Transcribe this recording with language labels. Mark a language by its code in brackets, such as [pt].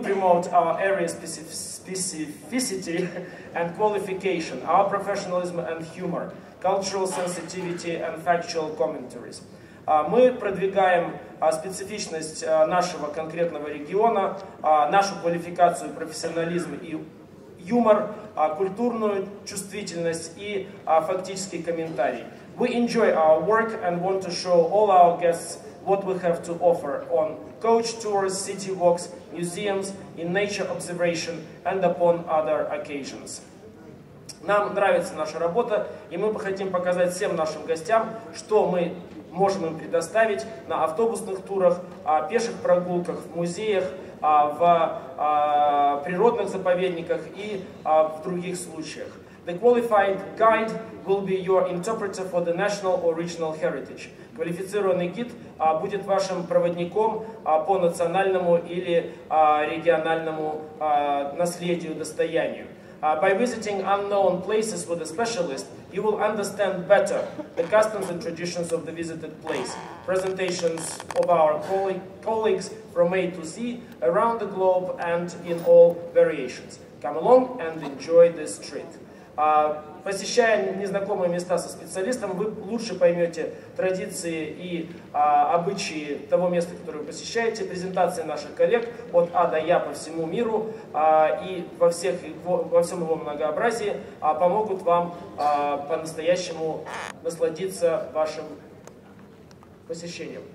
[en] We promote our area specificity and qualification, our professionalism and humor, cultural sensitivity and factual commentaries. [ru] Мы продвигаем специфичность нашего конкретного региона, нашу квалификацию, профессионализм и юмор, культурную чувствительность и фактический комментарий. [en] We enjoy our work and want to show all our guests what we have to offer on coach tours, city walks, museums, in nature observation and upon other occasions. [ru] Нам нравится наша работа, и мы бы хотим показать всем нашим гостям, что мы можем им предоставить на автобусных турах, пеших прогулках, в музеях, в природных заповедниках и в других случаях. [en] The qualified guide will be your interpreter for the national or regional heritage. [ru] Квалифицированный гид будет вашим проводником по национальному или региональному наследию, достоянию. [en] By visiting unknown places with a specialist, you will understand better the customs and traditions of the visited place. Presentations of our colleagues from A to Z, around the globe and in all variations. Come along and enjoy this trip. [ru] Посещая незнакомые места со специалистом, вы лучше поймете традиции и обычаи того места, которое вы посещаете, презентации наших коллег от А до Я по всему миру и во всем его многообразии помогут вам по-настоящему насладиться вашим посещением.